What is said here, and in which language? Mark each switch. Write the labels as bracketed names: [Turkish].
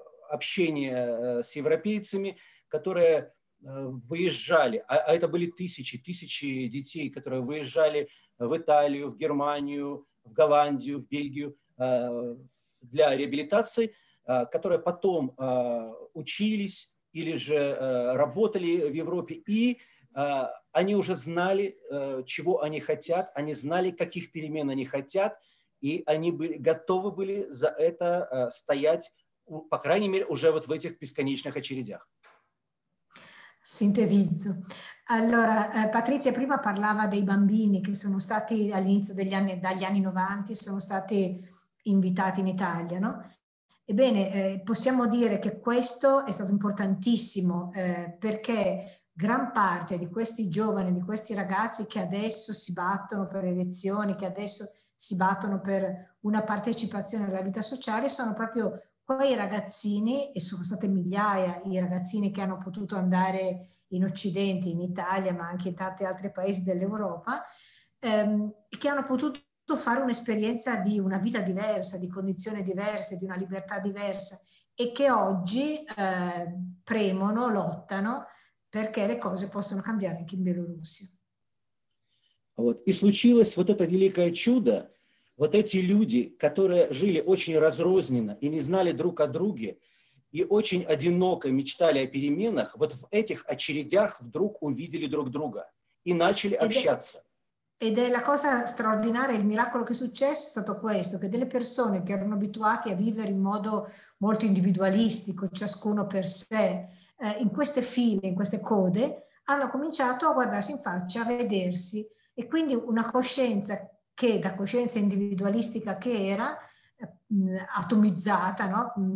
[Russian] общения с европейцами, которые выезжали, а это были тысячи, тысячи детей, которые выезжали в Италию, в Германию, в Голландию, в Бельгию для реабилитации, которые потом учились или же работали в Европе, и они уже знали, чего они хотят, они знали, каких перемен они хотят, и они были готовы были за это стоять, по крайней мере, уже вот в этих бесконечных очередях. [Italian] Sintetizzo. Allora, Patrizia prima parlava dei bambini che sono stati all'inizio degli anni, dagli anni 90, sono stati invitati in Italia, no? Ebbene, possiamo dire che questo è stato importantissimo perché gran parte di questi giovani, di questi ragazzi che adesso si battono per elezioni, che adesso si battono per una partecipazione alla vita sociale sono proprio quei ragazzini, e sono state migliaia i ragazzini che hanno potuto andare in Occidente, in Italia, ma anche in tanti altri paesi dell'Europa, che hanno potuto fare un'esperienza di una vita diversa, di condizioni diverse, di una libertà diversa, e che oggi premono, lottano, perché le cose possono cambiare anche in Bielorussia. [Russian] Вот. И случилось вот это великое чудо. Вот эти люди, которые жили очень разрозненно и не знали друг о друге, и очень одиноко мечтали о переменах, вот в этих очередях вдруг увидели друг друга и начали общаться. [Italian] Ed è la cosa straordinaria, il miracolo che è successo è stato questo, che delle persone che erano abituate a vivere in modo molto individualistico, ciascuno per sé, in queste file, in queste code, hanno cominciato a guardarsi in faccia, a vedersi, e quindi una coscienza che da coscienza individualistica che era, atomizzata, no?